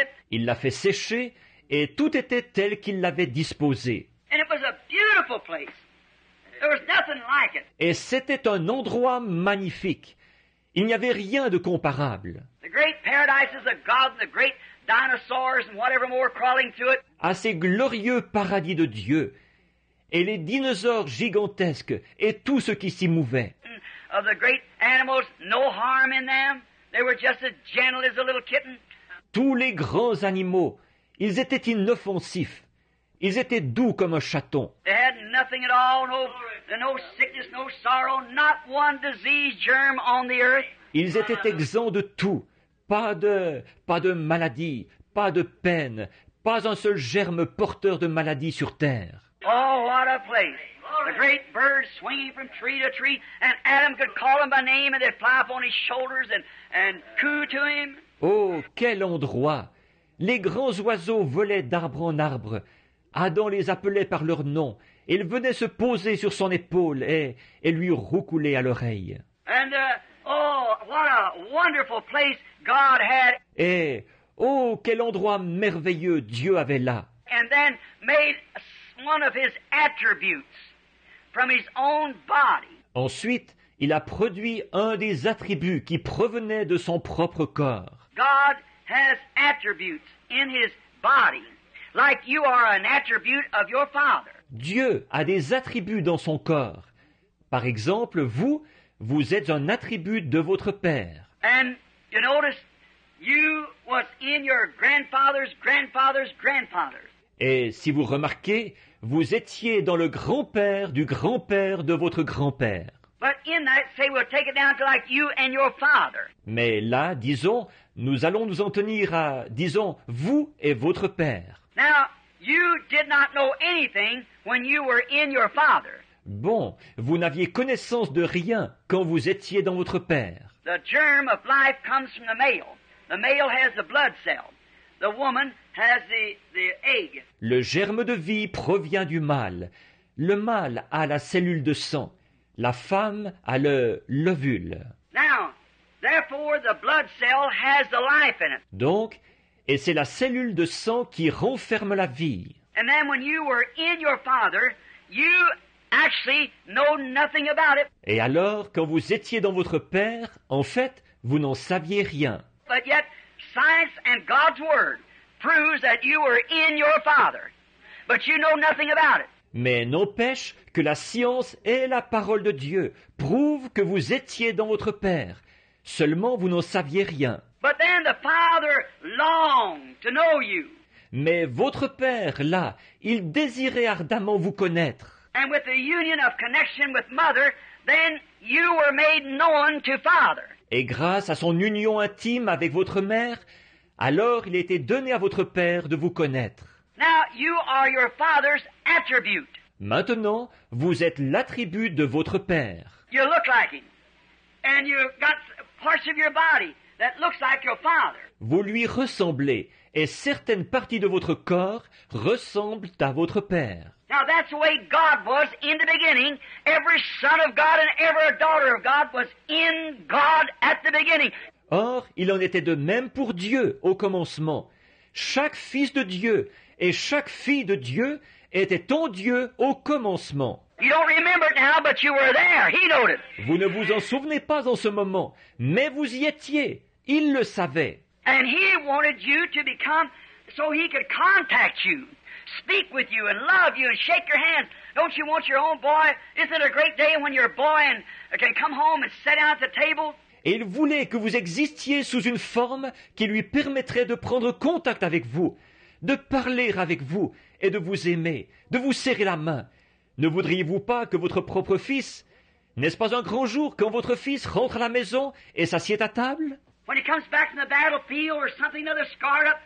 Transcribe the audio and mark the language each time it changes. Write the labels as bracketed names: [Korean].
[French] Il l'a fait sécher et tout était tel qu'il l'avait disposé. [English] And it was a beautiful place. There was nothing like it. [French] Et c'était un endroit magnifique. Il n'y avait rien de comparable. [English] The great paradises of God and the great dinosaurs and whatever more crawling through it. [French] À ces glorieux paradis de Dieu et les dinosaures gigantesques et tout ce qui s'y mouvait. [English] Of the great animals, no harm in them. They were just as gentle as a little kitten. [French] Tous les grands animaux, ils étaient inoffensifs. Ils étaient doux comme un chaton. [English] They had nothing at all, no sickness, no sorrow, not one disease germ on the earth. [French] Ils étaient exempts de tout. Pas de maladie, pas de peine, pas un seul germe porteur de maladie sur terre. [English] Oh, what a place! The great birds swinging from tree to tree, and Adam could call them by name, and they'd fly up on his shoulders and coo to him. [French] Oh, quel endroit! Les grands oiseaux volaient d'arbre en arbre. Adam les appelait par leur nom. Ils venaient se poser sur son épaule et lui roucoulaient à l'oreille. [English] And what a wonderful place God had. [French] Et oh, quel endroit merveilleux Dieu avait là. [English] And then made one of his attributes from his own body. [French] Ensuite, il a produit un des attributs qui provenait de son propre corps. [English] God has attributes in his body, like you are an attribute of your father. [French] Dieu a des attributs dans son corps. Par exemple, vous êtes un attribut de votre père. [English] And you notice you was in your grandfather's grandfather's grandfather. [French] Et si vous remarquez, vous étiez dans le grand-père du grand-père de votre grand-père. [English] But in that, say, we'll take it down to like you and your father. [French] Mais là, disons, nous allons nous en tenir à, disons, vous et votre père. [English] Now, you did not know anything when you were in your father. [French] Bon, vous n'aviez connaissance de rien quand vous étiez dans votre père. [English] The germ of life comes from the male. The male has the blood cell. The woman has the egg. [French] Le germe de vie provient du mâle. Le mâle a la cellule de sang. La femme a l'ovule. [English] Now, therefore, the blood cell has the life in it. [French] Donc, et c'est la cellule de sang qui renferme la vie. [English] And then when you were in your father, you actually know nothing about it. [French] Et alors, quand vous étiez dans votre père, en fait, vous n'en saviez rien. [English] But yet, science and God's word proves that you were in your father, but you know nothing about it. [French] Mais n'empêche que la science et la parole de Dieu prouvent que vous étiez dans votre père. Seulement, vous n'en saviez rien. [English] But then the father longed to know you. [French] Mais votre père, là, il désirait ardemment vous connaître. [English] And with the union of connection with mother, then you were made known to father. [French] Et grâce à son union intime avec votre mère, alors il a été donné à votre père de vous connaître. [English] Now you are your father's attribute. [French] Maintenant, vous êtes l'attribut de votre père. [English] You look like him. And you've got parts of your body that looks like your father. [French] Vous lui ressemblez, et certaines parties de votre corps ressemblent à votre père. [English] Now that's the way God was in the beginning. Every son of God and every daughter of God was in God at the beginning. [French] Or, il en était de même pour Dieu au commencement. Chaque fils de Dieu et chaque fille de Dieu était en Dieu au commencement. [English] You don't remember it now, but you were there. He knowed it. [French] Vous ne vous en souvenez pas en ce moment, mais vous y étiez. Il le savait. [English] And he wanted you to become so he could contact you. Speak with you and love you and shake your hand. Don't you want your own boy? Isn't it a great day when your boy can come home and sit down at the table? [French] Et il voulait que vous existiez sous une forme qui lui permettrait de prendre contact avec vous, de parler avec vous et de vous aimer, de vous serrer la main. Ne voudriez-vous pas que votre propre fils, n'est-ce pas un grand jour quand votre fils rentre à la maison et s'assied à table? [English] When he comes back from the battlefield or something other scarred up.